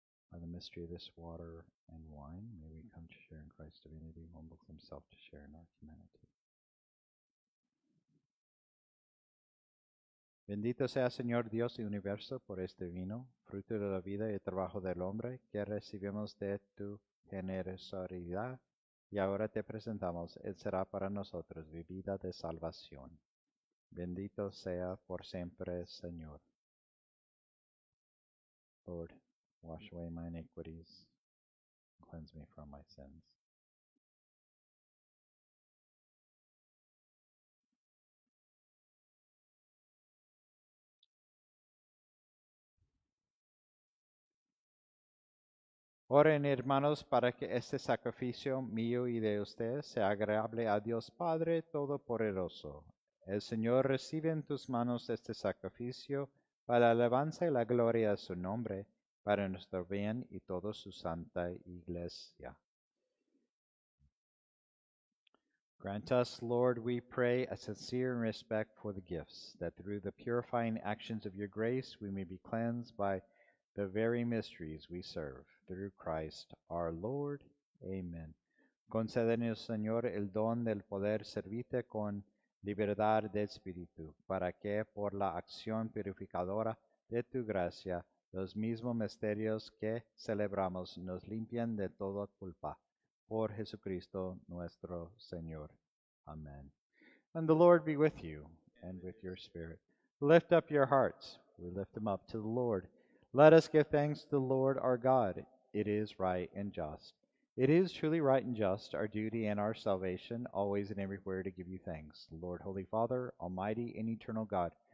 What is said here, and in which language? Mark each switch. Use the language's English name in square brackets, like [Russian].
[English] By the mystery of this water and wine, may we come to share in Christ's divinity, humble himself to share in our humanity. [Spanish] Bendito sea Señor Dios y Universo por este vino, fruto de la vida y trabajo del hombre, que recibimos de tu generosidad y ahora te presentamos. Él será para nosotros bebida de salvación. Bendito sea por siempre, Señor. [English] Lord, wash away my iniquities, cleanse me from my sins. [Spanish] Oren, hermanos, para que este sacrificio mío y de ustedes sea agradable a Dios Padre Todopoderoso. El Señor recibe en tus manos este sacrificio para la alabanza y la gloria de su nombre, para nuestro bien y toda su santa iglesia. [English] Grant us, Lord, we pray, a sincere respect for the gifts, that through the purifying actions of your grace we may be cleansed by the very mysteries we serve. Through Christ our Lord. Amen. [Spanish] Concédenos, Señor, el don del poder servirte con libertad de espíritu, para que por la acción purificadora de tu gracia, los mismos misterios que celebramos nos limpien de toda culpa. Por Jesucristo nuestro Señor. Amen. [English] And the Lord be with you and with your spirit. Lift up your hearts. We lift them up to the Lord. Let us give thanks to the Lord our God. It is right and just. It is truly right and just, our duty and our salvation, always and everywhere to give you thanks, Lord, Holy Father, Almighty and Eternal God.